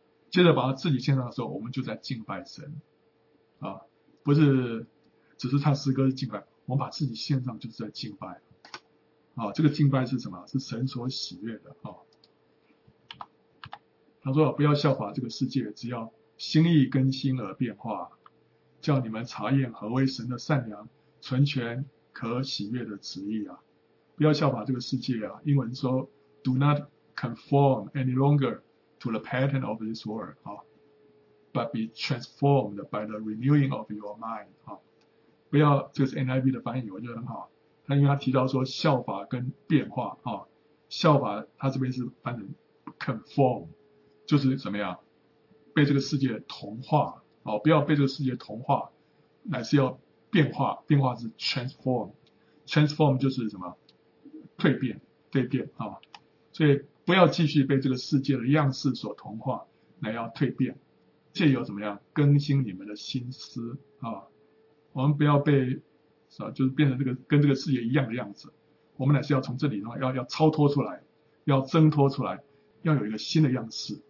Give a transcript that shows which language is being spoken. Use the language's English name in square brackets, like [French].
[Chinese] 接着把自己献上的时候，我们就在敬拜神，不是只是唱诗歌是敬拜，我们把自己献上就是在敬拜。这个敬拜是什么？是神所喜悦的。他说不要效法这个世界，只要心意更新而变化，叫你们查验何为神的善良、纯全、可喜悦的旨意啊！不要效法这个世界啊！英文说 [English] "Do not conform any longer to the pattern of this world," but be transformed by the renewing of your mind." [Chinese] 不要，这是 NIV 的翻译，我觉得很好。他因为他提到说效法跟变化啊，效法他这边是翻成 conform， 就是怎么样被这个世界同化。不要被这个世界同化，乃是要变化，变化是 transform， transform 就是什么蜕变，蜕变啊，所以不要继续被这个世界的样式所同化，乃要蜕变，借由怎么样更新你们的心思啊，我们不要被是吧，就是变成这个跟这个世界一样的样子，我们乃是要从这里呢要超脱出来，要挣脱出来，要有一个新的样式。